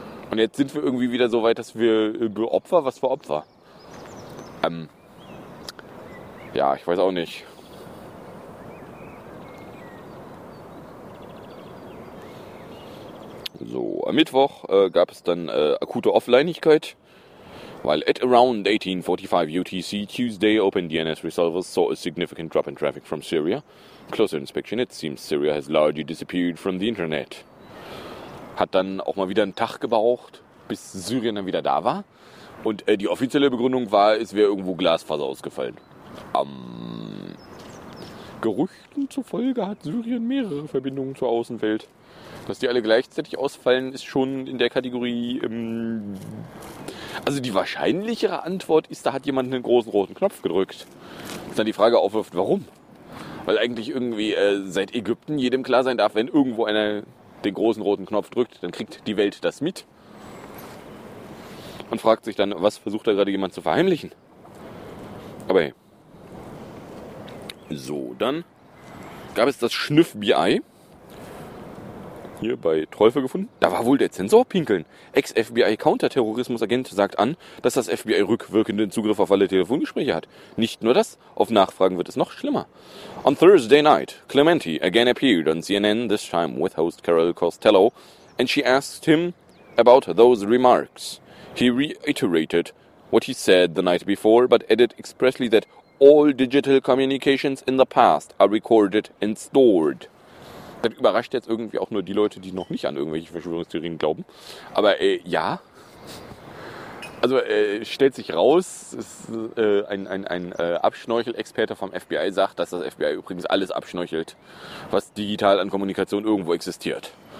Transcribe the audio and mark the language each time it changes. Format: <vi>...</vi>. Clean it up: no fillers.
<de>Und jetzt sind wir irgendwie wieder so weit, dass wir Opfer, was für Opfer? Ja, ich weiß auch nicht. So, am Mittwoch gab es dann akute Offline-igkeit.</de> <en>While at around 18:45 UTC, Tuesday, open DNS resolvers saw a significant drop in traffic from Syria. Closer inspection, it seems Syria has largely disappeared from the internet.</en> <de>Hat dann auch mal wieder einen Tag gebraucht, bis Syrien dann wieder da war. Und die offizielle Begründung war, es wäre irgendwo Glasfaser ausgefallen. Gerüchten zufolge hat Syrien mehrere Verbindungen zur Außenwelt. Dass die alle gleichzeitig ausfallen, ist schon in der Kategorie... Also die wahrscheinlichere Antwort ist, da hat jemand einen großen roten Knopf gedrückt. Dass dann die Frage aufwirft, warum? Weil eigentlich irgendwie seit Ägypten jedem klar sein darf, wenn irgendwo einer den großen roten Knopf drückt, dann kriegt die Welt das mit. Und fragt sich dann, was versucht da gerade jemand zu verheimlichen? Aber hey. So, dann gab es das Schnüff-BI. Hier bei Teufel gefunden. Da war wohl der Zensor pinkeln. Ex-FBI-Counterterrorismus-Agent sagt an, dass das FBI rückwirkenden Zugriff auf alle Telefongespräche hat. Nicht nur das, auf Nachfragen wird es noch schlimmer.</de> <en>On Thursday night, Clementi again appeared on CNN, this time with host Carol Costello, and she asked him about those remarks. He reiterated what he said the night before, but added expressly that all digital communications in the past are recorded and stored.</en> <de>Das überrascht jetzt irgendwie auch nur die Leute, die noch nicht an irgendwelche Verschwörungstheorien glauben. Aber ja, also stellt sich raus, ist, ein Abschnorchel-Experte vom FBI sagt, dass das FBI übrigens alles abschnorchelt, was digital an Kommunikation irgendwo existiert.</de>